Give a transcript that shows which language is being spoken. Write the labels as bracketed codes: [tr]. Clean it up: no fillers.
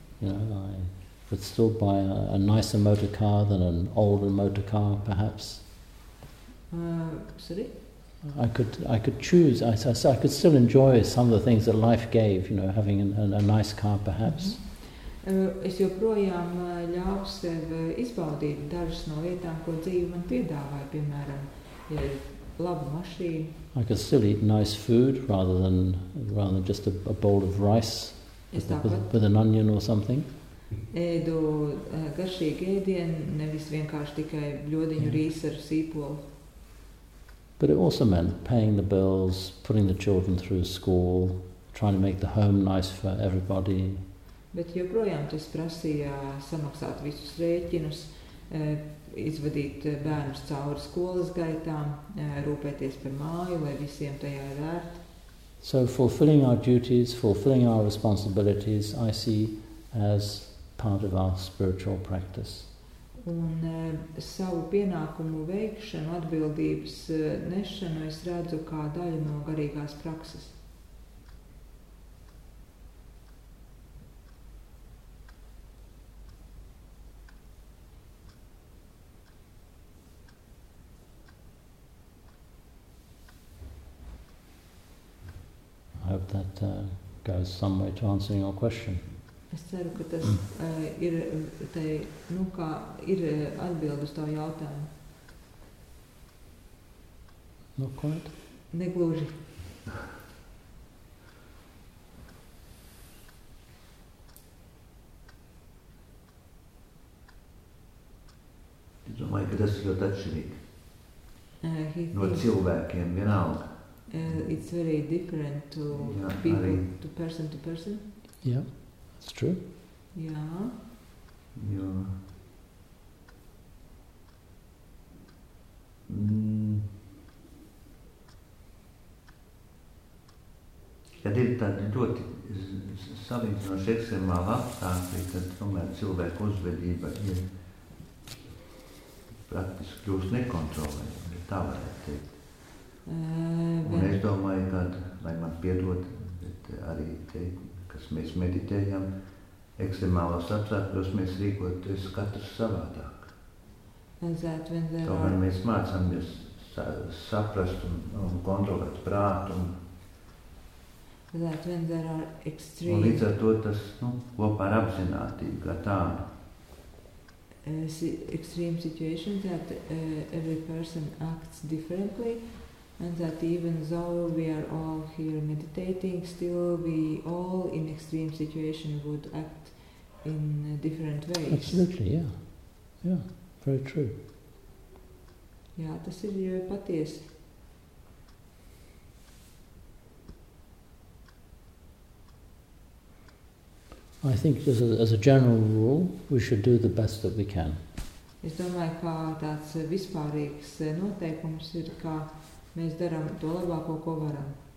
[en] Yeah, I would still buy a nicer motor car than an older motor car, perhaps. Sorry? I could choose. I could still enjoy some of the things that life gave. You know, having a nice car, perhaps. [lv] Es joprojām ļauju sev izbaudīt dažas no lietām, ko dzīve man piedāvāja, piemēram, ja ir laba mašīna. [en] I could still eat nice food rather than just a bowl of rice with an onion or something. [lv] Ēdu garšīgu ēdienu, nevis vienkārši tikai bļodiņu rīsu ar sīpolu. [en] But it also meant paying the bills, putting the children through school, trying to make the home nice for everybody. [lv] Bet joprojām tas prasīja samaksāt visus rēķinus, izvadīt bērnus cauri skolas gaitām, rūpēties par māju, lai visiem tajā ir vērti. [en] So fulfilling our duties, fulfilling our responsibilities, I see as part of our spiritual practice. [lv] Un savu pienākumu veikšanu, atbildības nešanu, es redzu kā daļu no garīgās prakses. [en] I hope that goes some way to answering your question. [lv] Es ceru, ka tas ir te, nu kā ir atbilde uz tavu jautājumu. [en] Not quite. [lv] Negluži. Es domāju, ka tas ir ļoti atšķirīgi. No cilvēkiem vienalga. [en] It's very different to people, to person to person. Yeah, that's true. Yeah. [lv] Ja ir tādi ļoti savīdzinoši ekstremāli apstākļi, tad tomēr cilvēku uzvedība ir praktiski kļūst nekontrolējama, tā varētu teikt. Un es domāju, ka, lai man piedod, bet arī te, kas mēs meditējam, ekstremālos apstākļos mēs rīkoties katrs savādāk. Tomēr mēs mācāmies saprast un kontrolēt prātu. Un līdz ar to tas kopā ar apzinātību, kā tādu. [en] Extreme situation that every person acts differently. And that even though we are all here meditating, still we all in extreme situation would act in different ways. Absolutely, yeah. Yeah, very true. [lv] Jā, tas ir jau patiesi. [en] I think as a general rule, we should do the best that we can. [lv] Es domāju, ka tāds vispārīgs noteikums ir, ka mēs darām to labāko, ko varam.